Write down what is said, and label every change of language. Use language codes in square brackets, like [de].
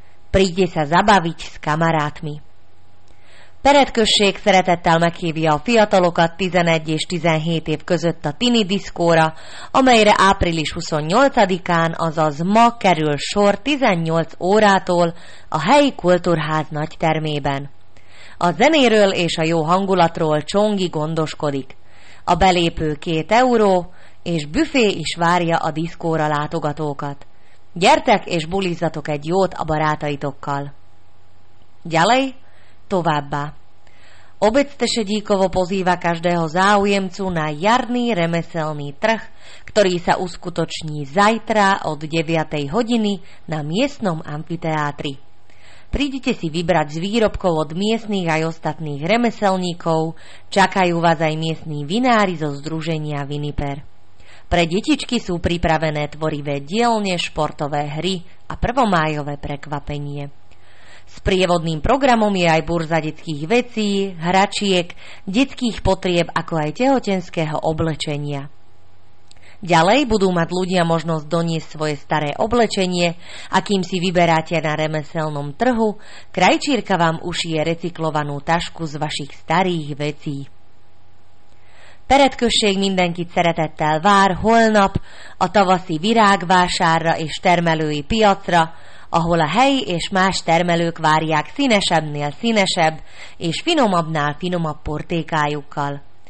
[sk] Príďte sa zabaviť s kamarátmi. [hu] Peredkösség szeretettel meghívja a fiatalokat 11 és 17 év között a Tini Diszkóra, amelyre április 28-án, azaz ma kerül sor 18 órától a helyi kultúrház nagy termében. A zenéről és a jó hangulatról Csongi gondoskodik. A belépő 2 euró, és büfé is várja a diszkóra látogatókat. Gyertek és bulizzatok egy jót a barátaitokkal! Gyalej! Továbbá. [sk] Obec Tešedíkovo pozýva každého záujemcu na jarný remeselný trh, ktorý sa uskutoční zajtra od 9. hodiny na miestnom amfiteátri. Prídite si vybrať z výrobkov od miestnych aj ostatných remeselníkov, čakajú vás aj miestní vinári zo združenia Viniper. Pre detičky sú pripravené tvorivé dielne, športové hry a prvomájové prekvapenie. S prievodným programom je aj burza detských vecí, hračiek, detských potrieb, ako aj tehotenského oblečenia. Ďalej budú mať ľudia možnosť doniesť svoje staré oblečenie a kým si vyberáte na remeselnom trhu, krajčírka vám ušije recyklovanú tašku z vašich starých vecí. [hu] Peredkösség mindenkit szeretettel vár holnap a tavaszi virágvásárra és termelői piacra, ahol a helyi és más termelők várják színesebbnél színesebb és finomabbnál finomabb portékájukkal.